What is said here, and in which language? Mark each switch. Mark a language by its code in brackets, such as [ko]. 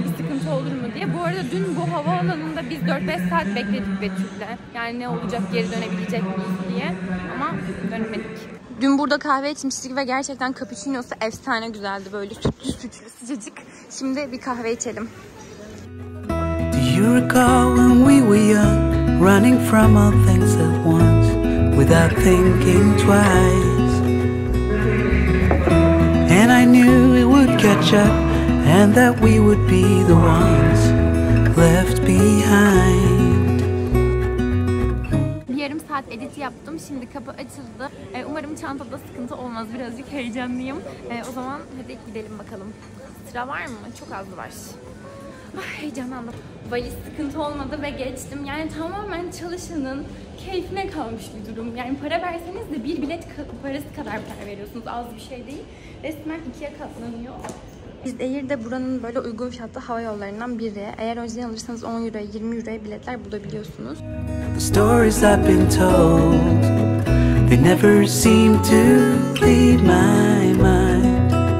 [tr] Bir sıkıntı olur mu diye. Bu arada dün bu havaalanında biz 4-5 saat bekledik Betül'de. Yani ne olacak, geri dönebilecek miyiz diye. Ama dönmedik. Dün burada kahve içmiştik ve gerçekten cappuccino'su efsane güzeldi. Böyle sütlü sütlü sıcacık. Şimdi bir kahve içelim. [en] You recall when we were young, running from all things at once, without thinking twice. And I knew it would catch up, and that we would be the ones left behind. [tr] Bir yarım saat edit yaptım, şimdi kapı açıldı. Umarım çantada sıkıntı olmaz, birazcık heyecanlıyım. O zaman hadi gidelim bakalım. Sıra var mı? Çok az var. Heyecanlandım. Valiz sıkıntı olmadı ve geçtim. Yani tamamen çalışanın keyfine kalmış bir durum. Yani para verseniz de bir bilet parası kadar para veriyorsunuz. Az bir şey değil. Resmen ikiye katlanıyor. Biz Air'de buranın böyle uygun fiyatlı hava yollarından biri. Eğer o yüzden alırsanız 10 euro, 20 euroya biletler bulabiliyorsunuz. [en] The stories I've been told, they never seem to leave my mind.